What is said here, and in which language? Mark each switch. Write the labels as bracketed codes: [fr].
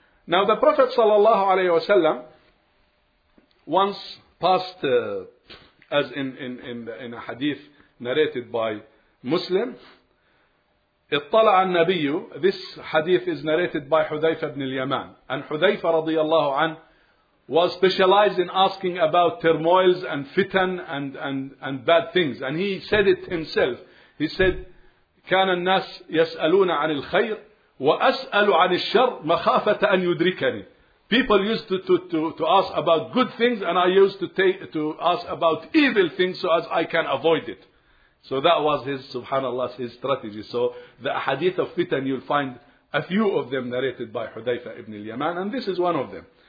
[en] Now the Prophet sallallahu alayhi wasallam once passed, as in a hadith narrated by Muslim, [ar] اطلع النبي. [en] This hadith is narrated by Hudhayfa ibn al-Yaman. And Hudhayfa radiyallahu anhu was specialized in asking about turmoils and fitan and bad things. And he said it himself. He said, [ar] كان الناس يسألون عن الخير وأسأل عن الشر مخافة أن يدركني. [en] People used to ask about good things, and I used to ask about evil things so as I can avoid it. So that was his, subhanAllah, his strategy. So the hadith of fitan, you'll find a few of them narrated by Hudhayfa ibn al-Yaman, and this is one of them.